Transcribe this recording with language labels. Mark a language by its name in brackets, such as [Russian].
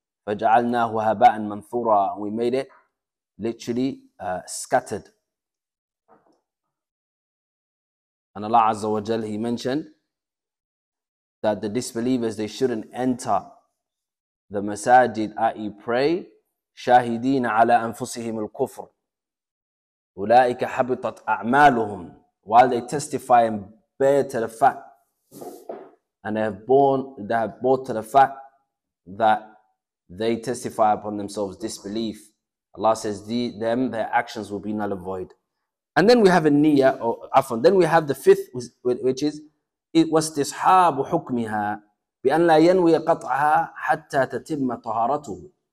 [Arabic] فَجَعَلْنَاهُ هَبَاءً مَنْثُورًا. [English] We made it literally scattered. And Allah Azza wa Jalla, He mentioned that the disbelievers, they shouldn't enter the masajid, i.e. pray, [Arabic] شاهدين على أنفسهم الكفر أولئك حبطت أعمالهم. [English] While they testify and bear to the fact, and they have brought to the fact that they testify upon themselves disbelief, Allah says them their actions will be null and void. And then we have a niyyah, or afwan, then we have the fifth, which is it was [Arabic] استصحاب حكمها بأن لا ينوي قطعها حتى تتم طهارته.